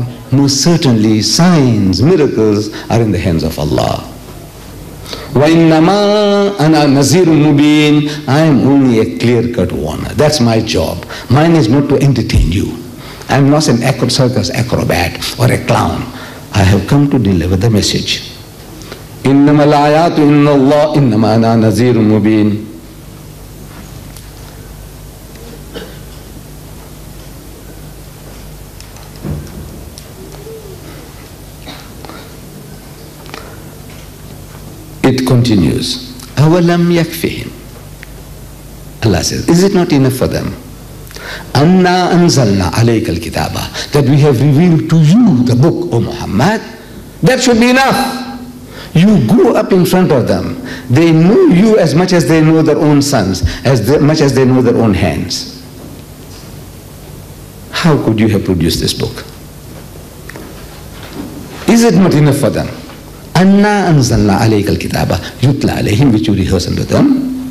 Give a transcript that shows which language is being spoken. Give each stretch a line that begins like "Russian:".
English: Most certainly, signs, miracles are in the hands of Allah.
Arabic: وَإِنَّمَا أَنَا نَزِيرٌ مُبِينٌ.
English: I am only a clear-cut warner. That's my job. Mine is not to entertain you. I am not an circus acrobat or a clown. I have come to deliver the message.
Arabic: إِنَّمَا الْآيَاتُ إِنَّ اللَّهِ إِنَّمَا أَنَا نَزِيرٌ مُبِينٌ.
English: It continues.
Arabic: أَوَلَمْ يَكْفِهِمْ.
English: Allah says, is it not enough for them?
Arabic: أَنَّا أَنزَلْنَا عَلَيْكَ الْكِتَابَ.
English: That we have revealed to you the book, O Muhammad. That should be enough. You grew up in front of them. They know you as much as they know their own sons, as much as they know their own hands. How could you have produced this book? Is it not enough for them?
Arabic: أَنَّا أَنزَلْنَا عَلَيْكَ الْكِتَابَ يُتْلَى عَلَيْهِمْ,
English: which you rehearse unto them.